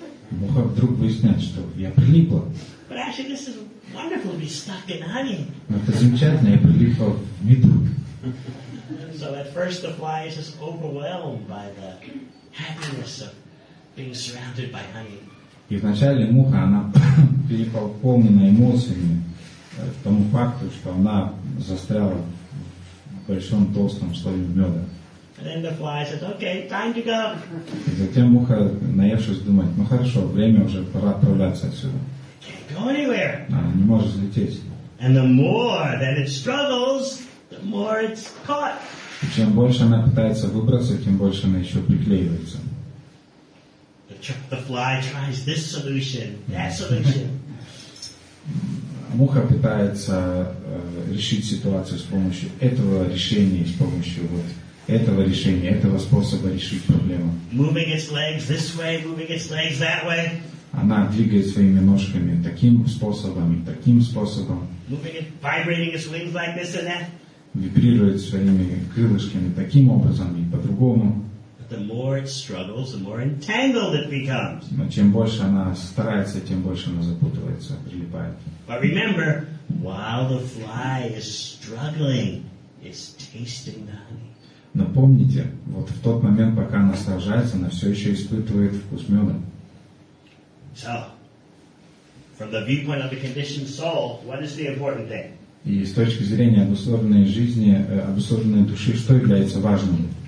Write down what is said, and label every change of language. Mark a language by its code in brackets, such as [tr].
[ru] Муха вдруг выясняет, что я прилипла. [en] But actually, this is wonderful to be stuck in honey. [ru] Но это замечательно, я прилипла в меду. [en] So at first the fly is just overwhelmed by the happiness of being surrounded by honey. [ru] И вначале муха, она переполнена эмоциями к тому факту, что она застряла в большом толстом слое меда. [en] And then the fly says, okay, time to go. [ru] И затем муха, наевшись, думает, ну хорошо, время уже, пора отправляться отсюда. [en] Can't go anywhere. [ru] Она не может взлететь. [en] And the more that it struggles, the more it's caught. [ru] И чем больше она пытается выбраться, тем больше она еще приклеивается. [en] The fly tries this solution, that solution. [ru] Муха пытается решить ситуацию с помощью этого решения, с помощью вот этого решения, этого способа решить проблему. [en] Moving its legs this way, moving its legs that way. [ru] Она двигает своими ножками таким способом и таким способом. [en] Moving it, vibrating its wings like this and that. [ru] Вибрирует своими крылышками таким образом и по-другому. [en] The more it struggles, the more entangled it becomes. [ru] Но чем больше она старается, тем больше она запутывается, прилипает. [en] But remember, while the fly is struggling, it's tasting the honey. [ru] Но помните, вот в тот момент, пока она сражается, она все еще испытывает вкус меда. [en] So, from the viewpoint of the conditioned soul, what is the important thing? [ru] И с точки зрения обусловленной жизни, обусловленной души, что является важным?